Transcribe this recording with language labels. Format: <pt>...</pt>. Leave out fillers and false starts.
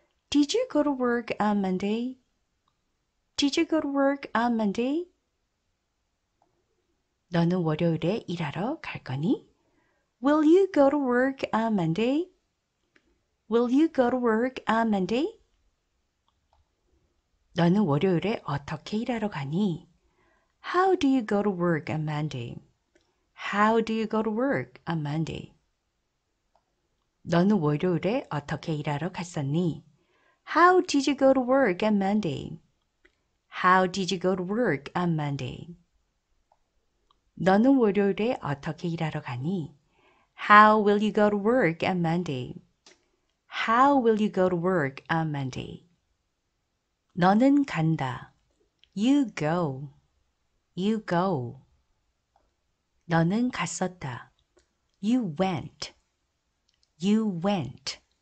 <en>Did you go to work on Monday? Did you go to work on Monday?</en> <ko>너는 월요일에 일하러 갈 거니?</ko> <en>Will you go to work on Monday? Will you go to work on Monday?</en> <ko>너는 월요일에 어떻게 일하러 가니?</ko> <en>How do you go to work on Monday? How do you go to work on Monday?</en> <ko>너는 월요일에 어떻게 일하러 갔었니?</ko> <en>How did you go to work on Monday? How did you go to work on Monday?</en> <ko>너는 월요일에 어떻게 일하러 가니?</ko> <en>How will you go to work on Monday? How will you go to work on Monday?</en> <ko>너는 간다.</ko> <en>You go. You go.</en> <ko>너는 갔었다.</ko> <en>You went. You went.</en>